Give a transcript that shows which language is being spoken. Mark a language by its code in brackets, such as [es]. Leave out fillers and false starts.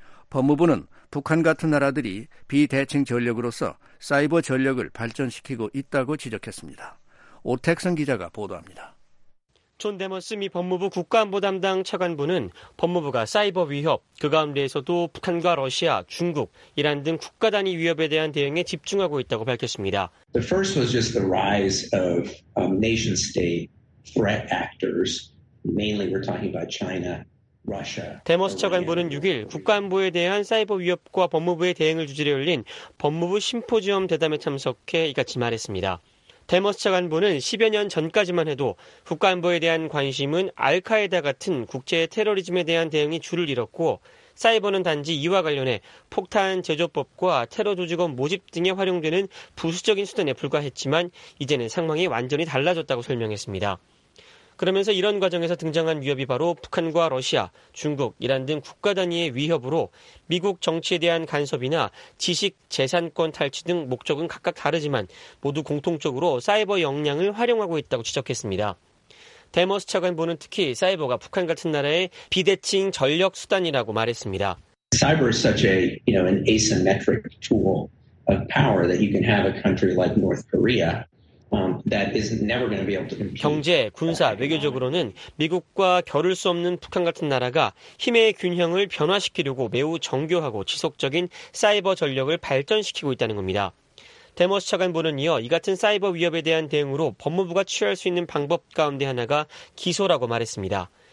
[ko] 법무부는 북한 같은 나라들이 비대칭 전력으로서 사이버 전력을 발전시키고 있다고 지적했습니다. 오택성 기자가 보도합니다. 존 데머스 미 법무부 국가안보 담당 차관보는 법무부가 사이버 위협, 그 가운데에서도 북한과 러시아, 중국, 이란 등 국가 단위 위협에 대한 대응에 집중하고 있다고 밝혔습니다. [en] The first was just the rise of nation-state threat actors. Mainly we're talking about China. [ko] 데머스 차관보는 6일 국가안보에 대한 사이버 위협과 법무부의 대응을 주제로 열린 법무부 심포지엄 대담에 참석해 이같이 말했습니다. 데머스 차관보는 10여 년 전까지만 해도 국가안보에 대한 관심은 알카에다 같은 국제 테러리즘에 대한 대응이 주를 이뤘고 사이버는 단지 이와 관련해 폭탄 제조법과 테러 조직원 모집 등에 활용되는 부수적인 수단에 불과했지만 이제는 상황이 완전히 달라졌다고 설명했습니다. 그러면서 이런 과정에서 등장한 위협이 바로 북한과 러시아, 중국, 이란 등 국가 단위의 위협으로 미국 정치에 대한 간섭이나 지식, 재산권 탈취 등 목적은 각각 다르지만 모두 공통적으로 사이버 역량을 활용하고 있다고 지적했습니다. 데머스 차관보는 특히 사이버가 북한 같은 나라의 비대칭 전력 수단이라고 말했습니다. [en] Cyber is such a, you know, an asymmetric tool of power that you can have a country like North Korea. That is never going to be able to compete. [ko] 경제, 군사, 외교적으로는 미국과 겨룰 수 없는 북한 같은 나라가 힘의 균형을 변화시키려고 매우 정교하고 지속적인 사이버 전력을 발전시키고 있다는 겁니다. 데머스 차관보는 이어 이 같은 사이버 위협에 대한 대응으로 법무부가 취할 수 있는 방법 가운데 하나가 기소라고 말했습니다.